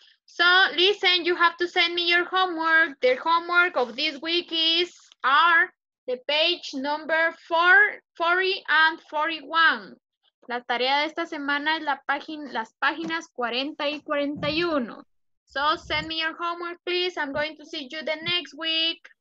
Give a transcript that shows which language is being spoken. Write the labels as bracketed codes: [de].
[en] So, listen, you have to send me your homework. The homework of this week is are the page number 40 and 41. [es] La tarea de esta semana es las páginas 40 y 41. [en] So, send me your homework, please. I'm going to see you the next week.